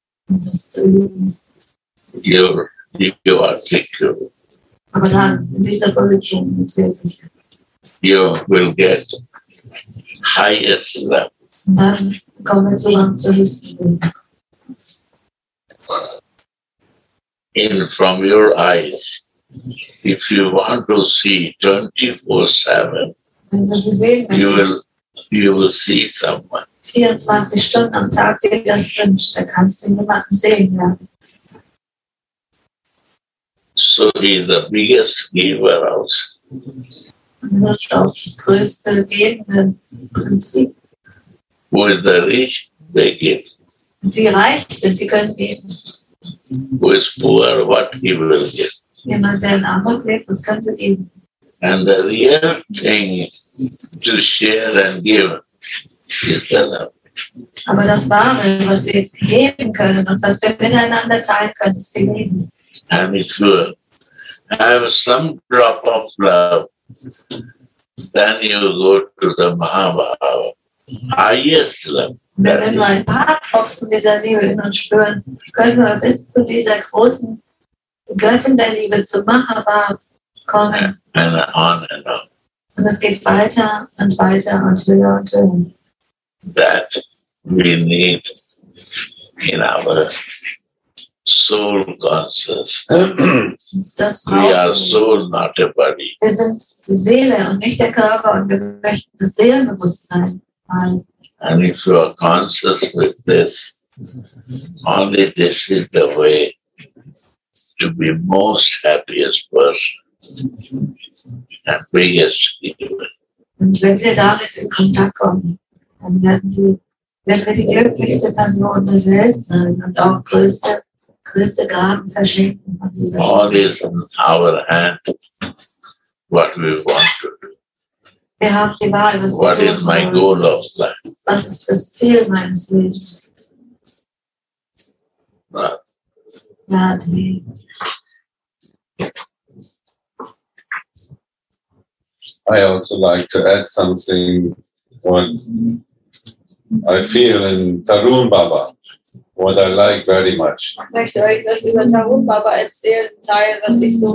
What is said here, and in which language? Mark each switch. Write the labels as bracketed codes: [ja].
[de] Und das zu lieben. [en] You are secure. [de] Aber dann, in dieser Position wird er sicher. [en] You will get highest level. [de] Und dann kommen wir so lang zur Liste. [en] In from your eyes, if you want to see 24/7, [de] wenn du sie sehen möchtest, [en] you will see someone. [de] 24 Stunden am Tag, dir das wünscht, da kannst du jemanden sehen, ja. [en] So he is the biggest giver also. [de] Das ist auch das größte gebende Prinzip. [en] Who is the rich, they give. [de] Die reich sind, die können geben. [en] Who is poor, what he will give. [de] Jemand, der in Armut lebt, was kann sie geben. [en] And the real thing to share and give is the love. [de] Aber das Wahre, was wir geben können und was wir miteinander teilen können, ist die Liebe. [en] And if you have some drop of love, then you go to the Mahabhava, highest level. [de] Wenn wir ein paar Tropfen dieser Liebe in uns spüren, können wir bis zu dieser großen Göttin der Liebe, zu Mahabhava, kommen. [en] And on and on. [de] Und es geht weiter und weiter und höher und höher. [en] That we need in our soul conscious. [de] Das [en] we are soul, not a body. [de] Wir sind Seele und nicht der Körper und wir möchten das Seelenbewusstsein haben. [en] And if you are conscious with this, only this is the way to be most happiest person and biggest human. [de] Und wenn wir damit in Kontakt kommen, dann werden wir die glücklichste Person der Welt sein und auch größte Gaben verschenken von dieser Welt. [en] All is in our hand, what we want to do. [de] Wir haben die Wahl, was [en] what is my goal of life? [de] Was ist das Ziel meines Lebens? Radha. [en] I also like to add something what I feel in Tarun Baba, what I like very much. [de] Möchte euch das über Tarun Baba erzählen, teilen, was ich so